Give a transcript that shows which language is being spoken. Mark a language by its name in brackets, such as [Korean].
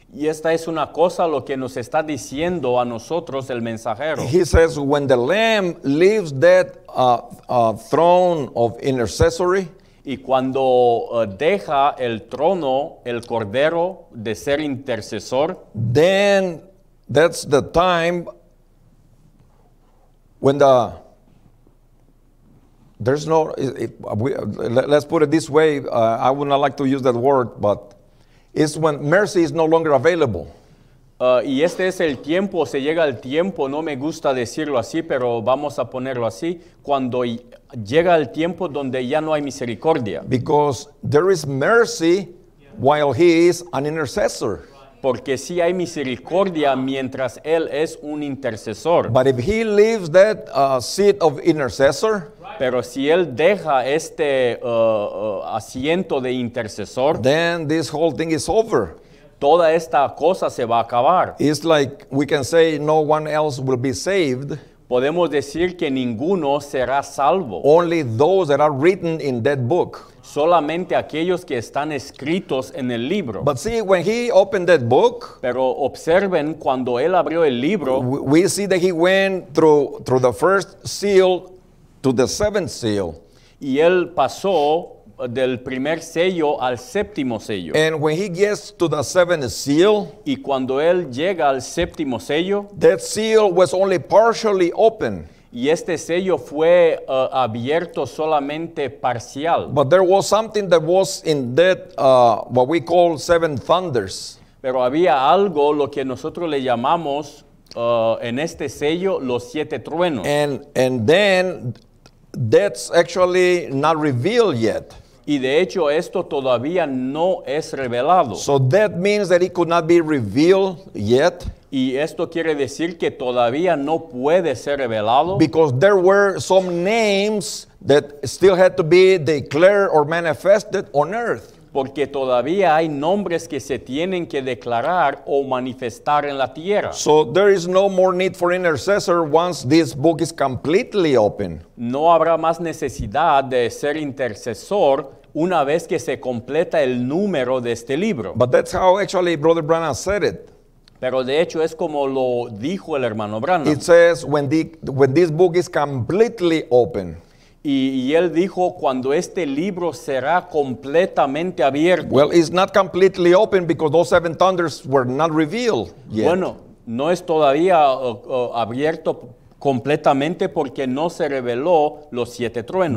[Spanish] Y esta es una cosa lo que nos está diciendo a nosotros el mensajero. [English] He says, when the Lamb leaves that throne of intercessory. [Spanish] Y cuando deja el trono, el cordero de ser intercesor. [English] Then, that's the time when the, there's no, let's put it this way, I would not like to use that word, but it's when mercy is no longer available. [Spanish] Y este es el tiempo, se llega el tiempo, no me gusta decirlo así, pero vamos a ponerlo así, cuando llega el tiempo donde ya no hay misericordia. [English] Because there is mercy while he is an intercessor. [Spanish] Porque sí hay misericordia mientras él es un intercesor. [English] But if he leaves that seat of intercessor, right. [Spanish] Pero si él deja este asiento de intercesor, [English] then this whole thing is over. [Spanish] Toda esta cosa se va a acabar. [English] It's like we can say no one else will be saved. [Spanish] Podemos decir que ninguno será salvo. [English] Only those that are written in that book. [Spanish] Solamente aquellos que están escritos en el libro. [English] But see, when he opened that book, [Spanish] pero observen cuando él abrió el libro, [English] we see that he went through the first seal to the seventh seal. [Spanish] Y él pasó del primer sello al séptimo sello. [English] And when he gets to the seventh seal, [Spanish] y cuando él llega al séptimo sello, [English] that seal was only partially open. [Spanish] Y este sello fue abierto solamente parcial. [English] But there was something that was in that what we call seven thunders. [Spanish] Pero había algo lo que nosotros le llamamos en este sello los siete truenos. [English] And then that's actually not revealed yet. [Spanish] Y de hecho esto todavía no es revelado. [English] So that means that it could not be revealed yet. [Spanish] Y esto quiere decir que todavía no puede ser revelado. [English] Because there were some names that still had to be declared or manifested on earth. [Spanish] Porque todavía hay nombres que se tienen que declarar o manifestar en la tierra. [English] So there is no more need for intercessor once this book is completely open. [Spanish] No habrá más necesidad de ser intercesor una vez que se completa el número de este libro. [English] But that's how actually Brother Branham said it. [Spanish] Pero de hecho es como lo dijo el hermano Branham. [English] It says when this book is completely open. [Spanish] Y él dijo cuando este libro será completamente abierto. [English] Well, it's not completely open because those seven thunders were not revealed yet. [Spanish] Bueno, no es todavía abierto completamente porque no se reveló los siete truenos.